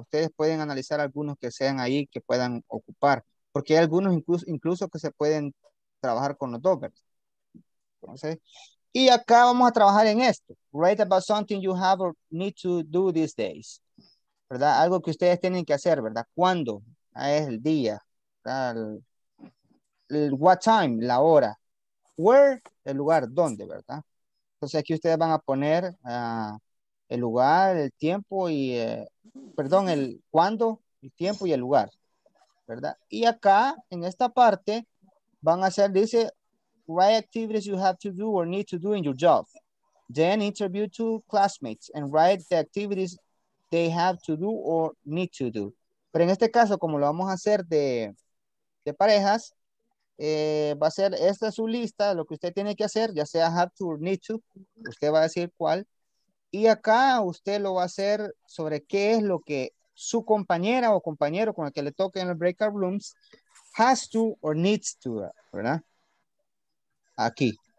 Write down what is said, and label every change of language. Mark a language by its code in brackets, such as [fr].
[es] Ustedes pueden analizar algunos que sean ahí que puedan ocupar, porque hay algunos incluso que se pueden trabajar con los dos, ¿verdad? Entonces, y acá vamos a trabajar en esto. [en] Write about something you have or need to do these days. [es] ¿Verdad? Algo que ustedes tienen que hacer, ¿verdad? ¿Cuándo? Es el día. [en] What time? [es] La hora. [en] Where? [es] El lugar. ¿Dónde? ¿Verdad? Entonces aquí ustedes van a poner el lugar, el tiempo y... perdón, el cuándo, el tiempo y el lugar. ¿Verdad? Y acá, en esta parte, van a hacer, dice... [en] write activities you have to do or need to do in your job. Then interview two classmates and write the activities they have to do or need to do. [es] Pero en este caso, como lo vamos a hacer de parejas, va a ser esta su lista, lo que usted tiene que hacer, ya sea [en] have to or need to, [es] usted va a decir cuál. Y acá usted lo va a hacer sobre qué es lo que su compañera o compañero con el que le toque en el breakout rooms [en] has to or needs to, [es] ¿verdad? Aquí.